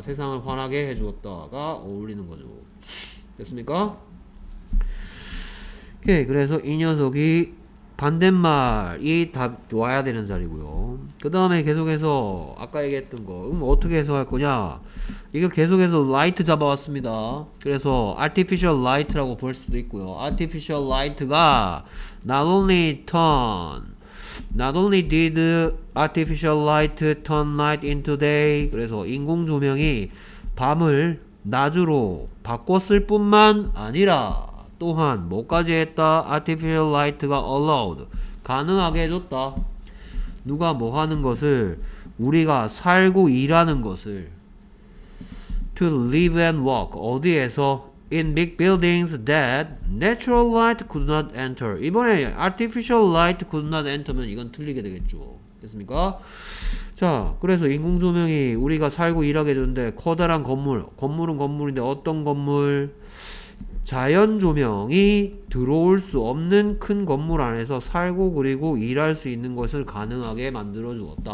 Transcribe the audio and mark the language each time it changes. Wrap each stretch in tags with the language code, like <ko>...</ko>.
<ko>세상을 환하게 해주었다가 어울리는 거죠. 됐습니까? 오케이. 그래서 이 녀석이 반대말이 답 와야 되는 자리고요. 그 다음에 계속해서 아까 얘기했던 거 어떻게 해석할 거냐. 이거 계속해서 라이트 잡아왔습니다. 그래서</ko> <en>artificial light</en> <ko>라고 볼 수도 있고요.</ko> <en>artificial light가 not only turn not only did artificial light turn night into day.</en> <ko>그래서 인공조명이 밤을 낮으로 바꿨을 뿐만 아니라 또한 뭐까지 했다?</ko> <en>artificial light</en> <ko>가 allowed 가능하게 해줬다. 누가 뭐 하는 것을? 우리가 살고 일하는 것을</ko> <en>to live and walk</en> <ko>어디에서?</ko> <en>in big buildings that natural light could not enter.</en> <ko>이번에</ko> <en>artificial light could not enter</en> <ko>면 이건 틀리게 되겠죠. 됐습니까? 자, 그래서 인공조명이 우리가 살고 일하게 해줬는데 커다란 건물, 건물은 건물인데 어떤 건물? 자연 조명이 들어올 수 없는 큰 건물 안에서 살고 그리고 일할 수 있는 것을 가능하게 만들어 주었다.</ko>